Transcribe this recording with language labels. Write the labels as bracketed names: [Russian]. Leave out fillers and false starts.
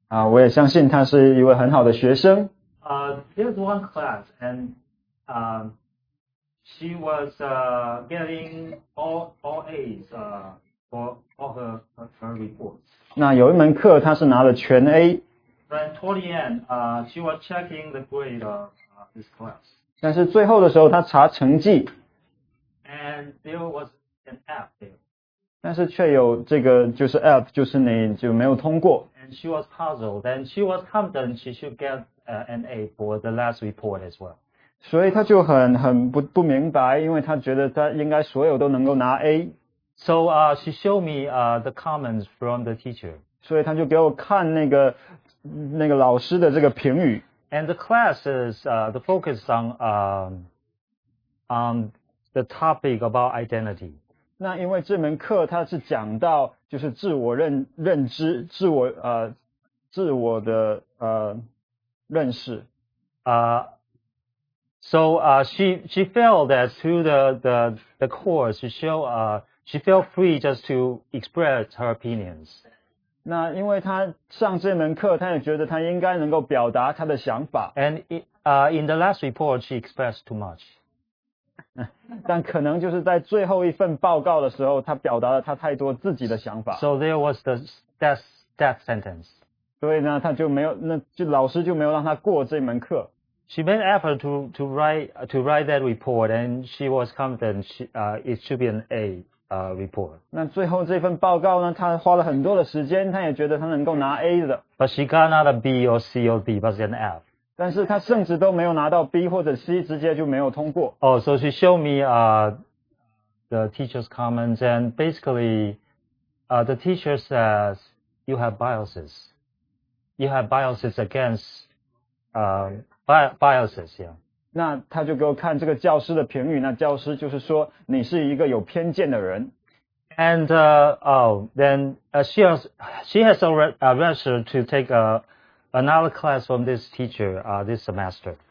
[Chinese] 我也相信她是一位很好的学生。 [English] There's one class, and she was getting all A's for all her reports. [Chinese] 那有一门课她是拿了全 A. [English] Then toward the end, she was checking the grade of this class. [Chinese] 但是最后的时候她查成绩。 [English] And there was an F there. [Chinese] 但是却有这个就是 F, 就是你就没有通过。 [English] And she was puzzled, and she was confident she should get an A for the last report as well. [Chinese] 所以他就很不明白，因为他觉得他应该所有都能够拿 A. [English] So she showed me the comments from the teacher. [Chinese] 所以他就给我看那个老师的这个评语。 [English] And the class is the focus on the topic about identity. [Chinese] 那因为这门课他是讲到就是自我认知，自我的认识。 [English] She felt that through the course, she felt free just to express her opinions. [Chinese] 那因为她上这门课，她也觉得她应该能够表达她的想法。 [English] And in the last report, she expressed too much. [Chinese] 但可能就是在最后一份报告的时候，她表达了她太多自己的想法。 [English] So there was the death sentence. [Chinese] 所以呢，他就没有，那就老师就没有让他过这门课。 [English] She made effort to write that report, and she was confident it should be an A report. [Chinese] 那最后这份报告呢，他花了很多的时间，他也觉得他能够拿 A 的。 [English] But she got not a B or C or D, but an F. [Chinese] 但是他甚至都没有拿到 B 或者 C, 直接就没有通过。 [English] Oh, so she showed me the teacher's comments, and basically, the teacher says you have biases. You have biases against biases, yeah. [Chinese] 那他就给我看这个教师的评语，那教师就是说你是一个有偏见的人。 [English] And she has already registered to take another class from this teacher this semester.